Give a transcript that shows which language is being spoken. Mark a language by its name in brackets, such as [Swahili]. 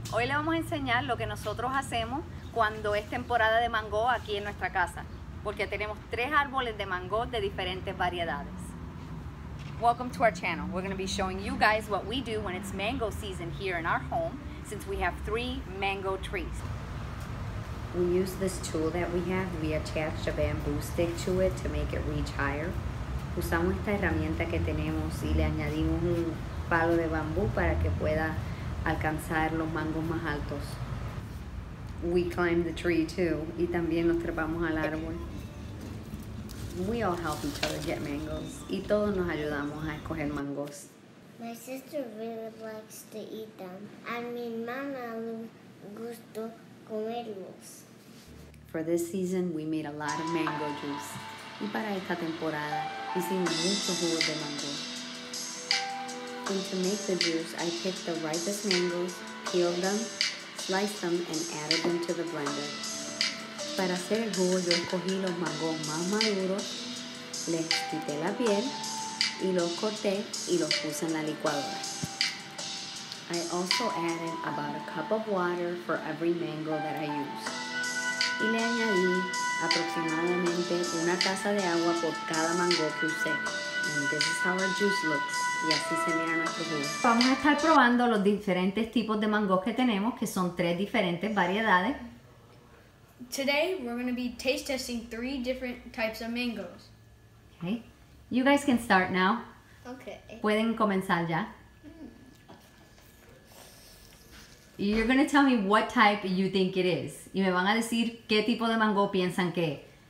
[Spanish] Hoy les vamos a enseñar lo que nosotros hacemos cuando es temporada de mango aquí en nuestra casa, porque tenemos tres árboles de mango de diferentes variedades. [English] Welcome to our channel. We're going to be showing you guys what we do when it's mango season here in our home, since we have three mango trees. We use this tool that we have. We attach a bamboo stick to it to make it reach higher. [Spanish] Usamos esta herramienta que tenemos y le añadimos un palo de bambú para que pueda alcanzar los mangos más altos. [English] We climb the tree too, [Spanish] y también nos trepamos al árbol. [English] We all help each other get mangoes, [Spanish] y todos nos ayudamos a escoger mangos. [English] My sister really likes to eat them, and [Spanish] mi mamá le gusta comerlos. [English] For this season, we made a lot of mango juice. [Spanish] Y para esta temporada, hicimos mucho jugo de mango. [English] And to make the juice, I picked the ripest mangoes, peeled them, sliced them, and added them to the blender. [Spanish] Para hacer el jugo, yo escogí los mangos más maduros, les quité la piel, y los corté y los puse en la licuadora. [English] I also added about a cup of water for every mango that I use. [Spanish] Y le añadí aproximadamente una taza de agua por cada mango que usé. [English] And this is how our juice looks. [Spanish] Y así se mira nuestro jugo. Vamos a estar probando los diferentes tipos de mangos que tenemos, que son tres diferentes variedades. [English] Today we're going to be taste testing three different types of mangoes. Okay. You guys can start now. Okay. [Spanish] Pueden comenzar ya. [English] You're going to tell me what type you think it is. [Spanish] Y me van a decir qué tipo de mango piensan que es.